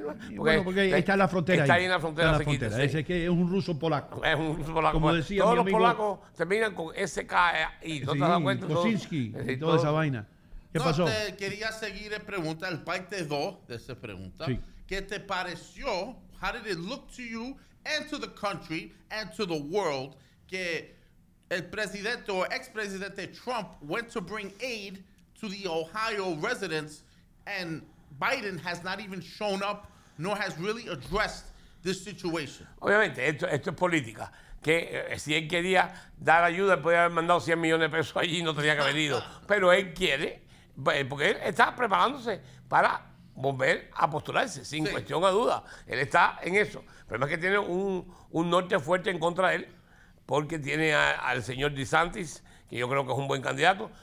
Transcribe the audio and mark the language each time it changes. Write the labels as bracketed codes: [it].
[es] Porque, bueno, porque ahí está la frontera. Está ahí en la frontera. Está en la frontera. Sí. Ese que es un ruso polaco. Es un ruso polaco. Como decía todos mi amigo, los polacos terminan con SKI. ¿No te das cuenta? Kosinski y toda esa vaina. ¿Qué pasó? Te quería seguir en pregunta, el parte 2 de esa pregunta. Sí. ¿Qué te pareció? [en] How did it look to you and to the country and to the world [es] que el presidente o expresidente [en] Trump went to bring aid to the Ohio residents and Biden has not even shown up nor has really addressed this situation? [es] Obviamente, esto es política. Que si él quería dar ayuda, él podía haber mandado 100 millones de pesos allí y no tenía que haber ido. Pero él quiere, porque él está preparándose para volver a postularse, sin cuestión a duda. Él está en eso. El problema es que tiene un norte fuerte en contra de él, porque tiene al señor DeSantis, que yo creo que es un buen candidato.